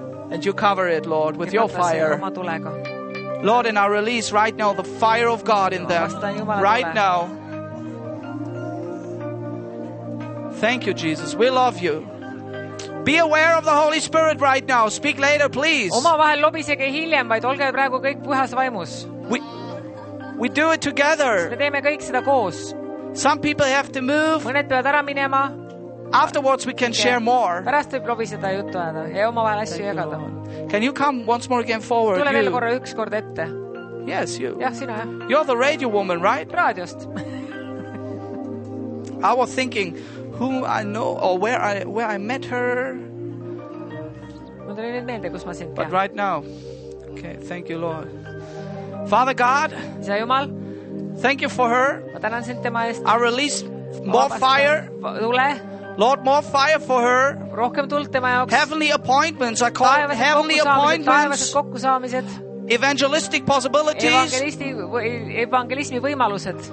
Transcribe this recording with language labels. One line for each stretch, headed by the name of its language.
English: And you cover it, Lord, with your fire. Lord, and I release right now the fire of God in them. Right now. Thank you, Jesus. We love you. Be aware of the Holy Spirit right now. Speak later, please.
Estonian: Oma vahel lobisege hiljem, vaid olge praegu kõik pühas vaimus.
English: We do it together.
Estonian: Me teeme kõik seda koos.
English: Some people have to move.
Estonian: Mõned peavad ära minema.
English: Afterwards we can share more.
Estonian: Pärast võib lobiseda juttu ajada ja oma vahel asju jagada.
English: Can you come once more again forward?
Estonian: Tule veel korra üks kord ette.
English: Yes, you.
Estonian: Jah, sina.
English: You're the radio woman, right?
Estonian: Raadiost.
English: I was thinking who I know or where I met her. But right now. Okay, thank you, Lord. Father God, thank you for her. I release more fire. Lord, more fire for her. Heavenly appointments. I call heavenly appointments. Evangelistic possibilities.
Estonian: Evangelismi võimalused.